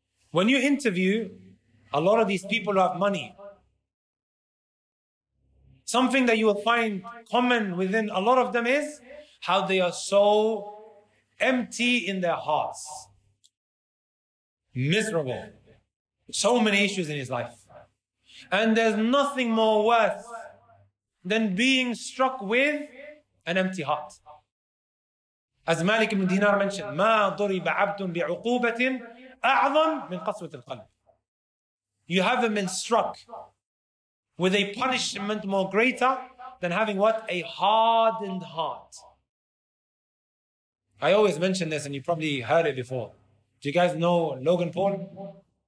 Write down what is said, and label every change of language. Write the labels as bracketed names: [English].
[English] When you interview a lot of these people who have money, something that you will find common within a lot of them is how they are so empty in their hearts. Miserable. So many issues in his life. And there's nothing more worth than being struck with an empty heart. As Malik ibn Dinar mentioned, [Arabic] مَا ضُرِبَ عَبْدٌ بِعُقُوبَةٍ أَعْظَمْ مِنْ قَصْوَةِ الْقَلْبِ. [English] You haven't been struck with a punishment more greater than having what? A hardened heart. I always mention this and you probably heard it before. Do you guys know Logan Paul?